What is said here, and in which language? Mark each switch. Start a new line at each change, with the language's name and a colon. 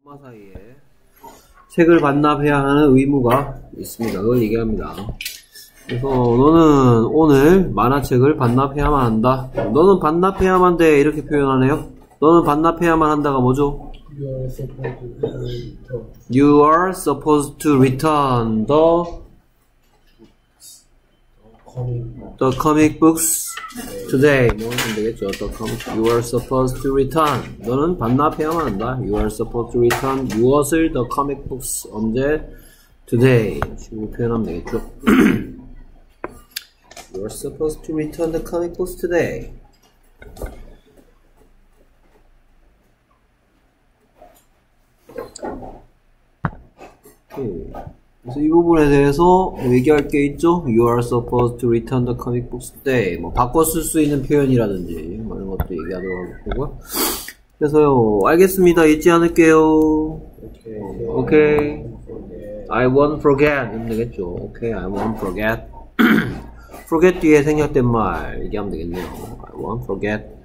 Korean: 사이에 책을 반납해야 하는 의무가 있습니다. 그걸 얘기합니다. 그래서 너는 오늘 만화책을 반납해야만 한다. 너는 반납해야만 돼. 이렇게 표현하네요. 너는 반납해야만 한다가 뭐죠?
English: You are supposed to return the comic books today.
Korean: 뭐 하면 되겠죠?
English: The comic, you are supposed to return.
Korean: 너는 반납해야만 한다.
English: You are supposed to return
Korean: 무엇을?
English: The comic books.
Korean: 언제?
English: Today.
Korean: 지금 표현하면 되겠죠?
English: You are supposed to return the comic books today.
Korean: 그래서 이 부분에 대해서 얘기할 게 있죠?
English: You are supposed to return the comic books today.
Korean: 뭐 바꿔 쓸수 있는 표현이라든지 뭐 이런 것도 얘기하도록 할 거고요. 그래서요, 알겠습니다. 잊지 않을게요.
English: Okay. I won't forget.
Korean: 이러면 되겠죠.
English: Okay, I won't forget. forget
Korean: 뒤에 생략된 말 얘기하면 되겠네요.
English: I won't forget.